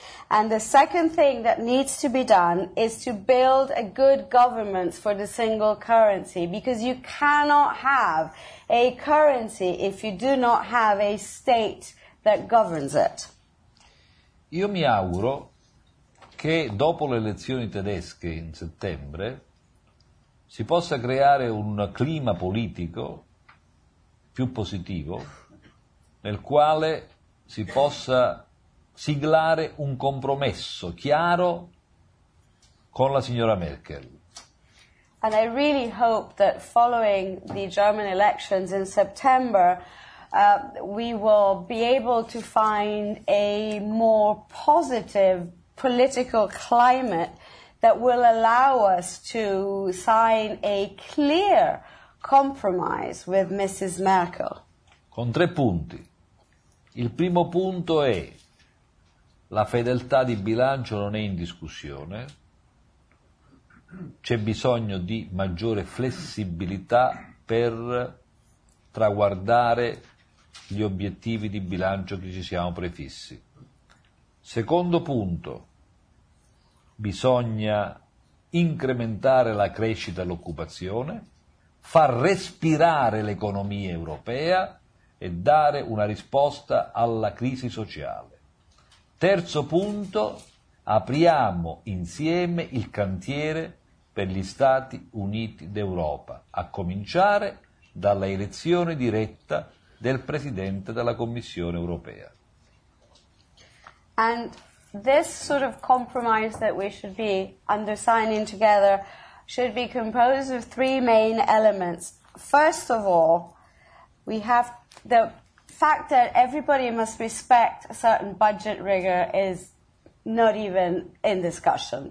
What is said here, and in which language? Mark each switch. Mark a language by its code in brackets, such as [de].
[en] And the second thing that needs to be done is to build a good governance for the single currency, because you cannot have a currency if you do not have a state that governs it. [it] Io mi auguro che dopo le elezioni tedesche in settembre si possa creare un clima politico più positivo, nel quale si possa siglare un compromesso chiaro con la signora Merkel. [en] And I really hope that following the German elections in September, we will be able to find a more positive political climate that will allow us to sign a clear compromise with Mrs. Merkel. [it] Con tre punti. Il primo punto è: la fedeltà di bilancio non è in discussione, c'è bisogno di maggiore flessibilità per traguardare gli obiettivi di bilancio che ci siamo prefissi. Secondo punto: bisogna incrementare la crescita e l'occupazione, far respirare l'economia europea e dare una risposta alla crisi sociale. Terzo punto: apriamo insieme il cantiere per gli Stati Uniti d'Europa, a cominciare dalla elezione diretta del Presidente della Commissione Europea. [en] And this sort of compromise that we should be undersigning together should be composed of three main elements. First of all, we have the fact that everybody must respect a certain budget rigor is not even in discussion.